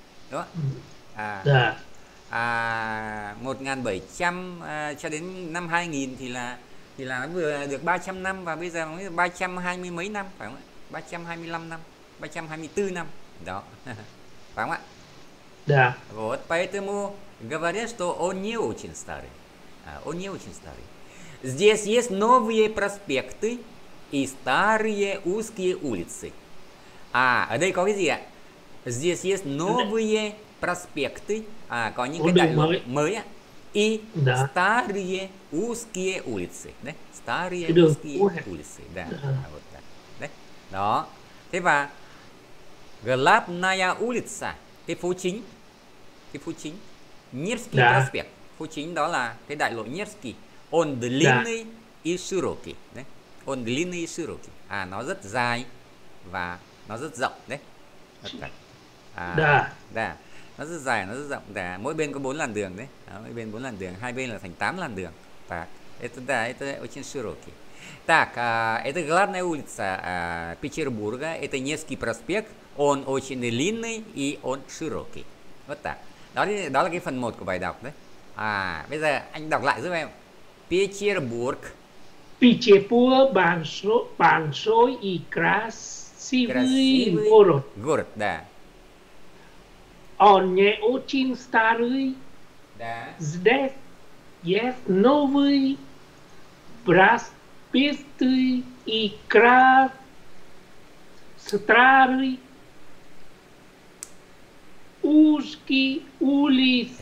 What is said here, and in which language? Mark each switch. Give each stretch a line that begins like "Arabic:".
Vietnamese: Đúng không? À, dạ à 1700 cho đến năm 2000 thì là nó vừa được 300 năm và bây giờ nó mới được 320 mấy năm, phải không ạ? 325 năm, 324 năm. Đó. phải không ạ? Dạ.
Russian: Вот, поэтому говорят, что он не очень старый. Он не очень старый. Здесь есть новые проспекты и старые узкие улицы.
Vietnamese: À, ở đây có cái gì ạ?
Russian: Здесь есть новые проспекты.
Vietnamese: À, có những con cái đại đường lộ mới. Mới ạ. И
Russian: да. старые узкие улицы.
Vietnamese: Đấy.
Russian: Старые
Vietnamese: cái đường
Russian: узкие улицы. Да. Да. Вот, да.
Vietnamese: Đấy. Đó. Thế và
Russian: главная улица,
Vietnamese: cái phố chính. Cái phố chính.
Russian: Невский проспект.
Vietnamese: Phố chính đó là cái đại lộ Невский.
Russian: Он длинный да. и широкий.
Vietnamese: Đấy.
Russian: Он длинный и широкий.
Vietnamese: À, nó rất dài và nó rất rộng đấy.
Russian: Да. À, да.
Vietnamese: Nó rất dài, nó rất rộng.
Russian: Да.
Vietnamese: Мой бен có 4 làn đường đấy. Đó, мой бен 4 làn đường. Hai bên là thành 8 làn đường.
Russian: Так. Это да, это очень широкий. Так, а, это главная улица а, Петербурга. Это Невский проспект. Он очень длинный и он широкий. Вот так.
Vietnamese: Đó, đó là cái phần 1 của bài đọc đấy. À, bây giờ anh đọc lại giúp em.
Russian: Петербург. Петербург, большой и красивый город. Город, да. Он не очень старый. Да. Здесь есть новый проспекты и старый узкие улицы.